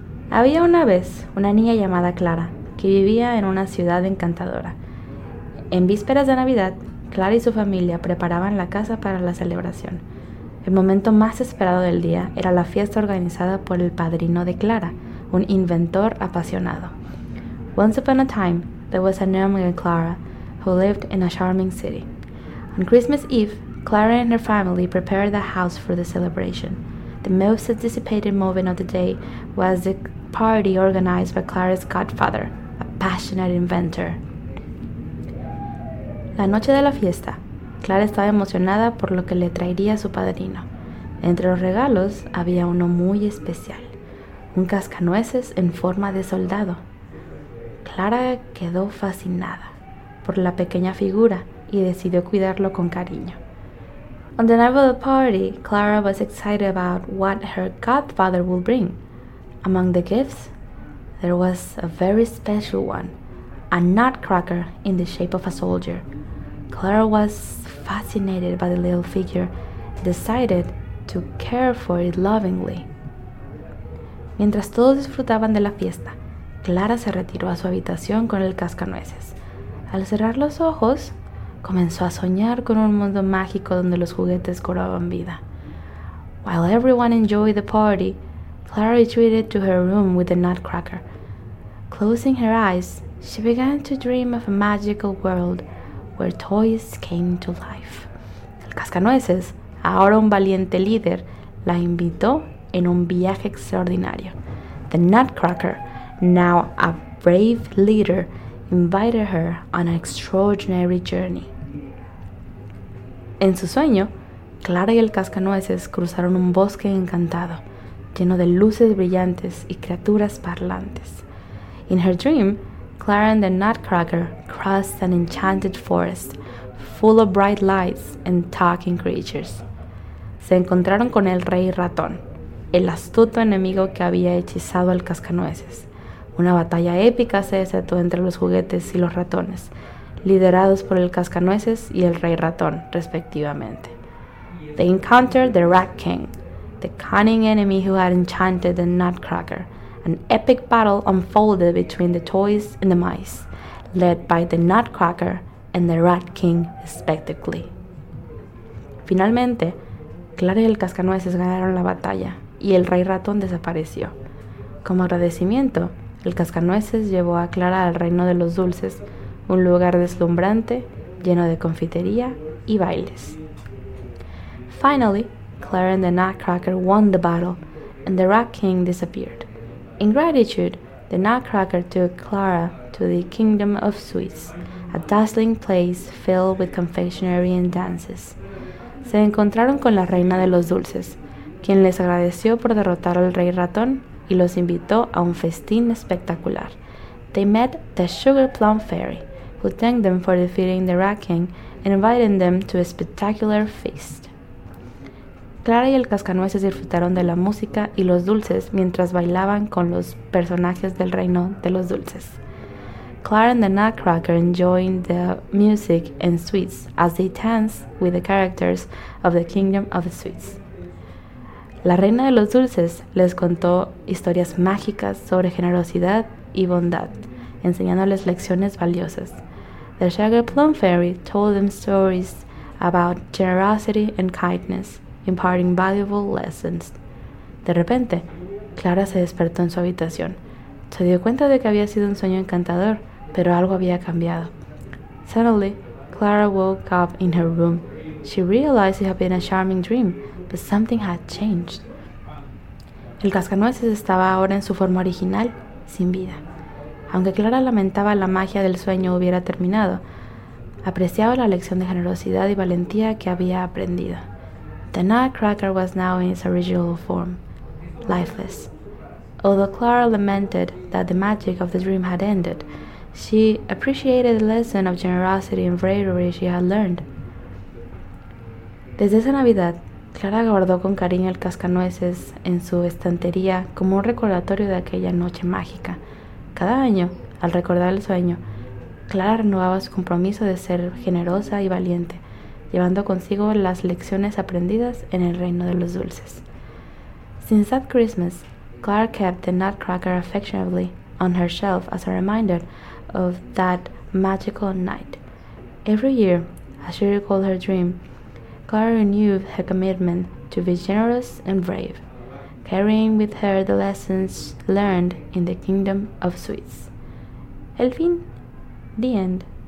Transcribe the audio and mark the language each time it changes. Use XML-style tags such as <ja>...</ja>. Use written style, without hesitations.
<es>Había una vez una niña llamada Clara que vivía en una ciudad encantadora. En vísperas de Navidad, Clara y su familia preparaban la casa para la celebración. El momento más esperado del día era la fiesta organizada por el padrino de Clara, un inventor apasionado.</es> <en>Once upon a time, there was a gnome named Clara who lived in a charming city. On Christmas Eve, Clara and her family prepared the house for the celebration. The most anticipated moment of the day was the party organized by Clara's godfather, a passionate inventor.</en> <es>La noche de la fiesta, Clara estaba emocionada por lo que le traería su padrino. Entre los regalos había uno muy especial, un cascanueces en forma de soldado. Clara quedó fascinada por la pequeña figura y decidió cuidarlo con cariño.</es> <en>On the night of the party, Clara was excited about what her godfather would bring. Among the gifts, there was a very special one, a nutcracker in the shape of a soldier. Clara was fascinated by the little figure and decided to care for it lovingly.</en> <es>Mientras todos disfrutaban de la fiesta, Clara se retiró a su habitación con el cascanueces. Al cerrar los ojos, comenzó a soñar con un mundo mágico donde los juguetes cobraban vida.</es> <en>While everyone enjoyed the party, Clara retreated to her room with the nutcracker. Closing her eyes, she began to dream of a magical world where toys came to life.</en> <es>El cascanueces, ahora un valiente líder, la invitó en un viaje extraordinario.</es> <en>The Nutcracker, now a brave leader, invited her on an extraordinary journey.</en> <es>En su sueño, Clara y el cascanueces cruzaron un bosque encantado, lleno de luces brillantes y criaturas parlantes.</es> <en>In her dream, Clara and the Nutcracker crossed an enchanted forest, full of bright lights and talking creatures.</en> <es>Se encontraron con el Rey Ratón, el astuto enemigo que había hechizado al cascanueces. Una batalla épica se desató entre los juguetes y los ratones, liderados por el cascanueces y el Rey Ratón, respectivamente.</es> <en>They encountered the Rat King, the cunning enemy who had enchanted the Nutcracker. An epic battle unfolded between the toys and the mice, led by the Nutcracker and the Rat King, respectively.</en> <es>Finalmente, Clara y el cascanueces ganaron la batalla, y el Rey Ratón desapareció. Como agradecimiento, el cascanueces llevó a Clara al Reino de los Dulces, un lugar deslumbrante, lleno de confitería y bailes.</es> <en>Finally, Clara and the Nutcracker won the battle, and the Rat King disappeared. In gratitude, the Nutcracker took Clara to the Kingdom of Sweets, a dazzling place filled with confectionery and dances.</en> <es>Se encontraron con la Reina de los Dulces, quien les agradeció por derrotar al Rey Ratón y los invitó a un festín espectacular.</es> <en>They met the Sugar Plum Fairy, who thanked them for defeating the Rat King and inviting them to a spectacular feast.</en> <es>Clara y el cascanueces disfrutaron de la música y los dulces mientras bailaban con los personajes del Reino de los Dulces.</es> <en>Clara and the Nutcracker enjoyed the music and sweets as they danced with the characters of the Kingdom of the Sweets.</en> <es>La Reina de los Dulces les contó historias mágicas sobre generosidad y bondad, enseñándoles lecciones valiosas.</es> <en>The Sugar Plum Fairy told them stories about generosity and kindness, imparting valuable lessons.</en> <es>De repente, Clara se despertó en su habitación. Se dio cuenta de que había sido un sueño encantador, pero algo había cambiado.</es> <en>Suddenly, Clara woke up in her room. She realized it had been a charming dream, but something had changed.</en> <es>El cascanueces estaba ahora en su forma original, sin vida. Aunque Clara lamentaba la magia del sueño hubiera terminado, apreciaba la lección de generosidad y valentía que había aprendido.</es> <en>The Nutcracker was now in its original form, lifeless. Although Clara lamented that the magic of the dream had ended, she appreciated the lesson of generosity and bravery she had learned.</en> <es>Desde esa Navidad, Clara guardó con cariño el cascanueces en su estantería como un recordatorio de aquella noche mágica. Cada año, al recordar el sueño, Clara renovaba su compromiso de ser generosa y valiente, llevando consigo las lecciones aprendidas en el reino de los dulces.</es> <en>Since that Christmas, Clara kept the Nutcracker affectionately on her shelf as a reminder of that magical night. Every year, as she recalled her dream, Clara renewed her commitment to be generous and brave, carrying with her the lessons learned in the kingdom of sweets.</en> <es>El fin.</es> <en>The end.</en>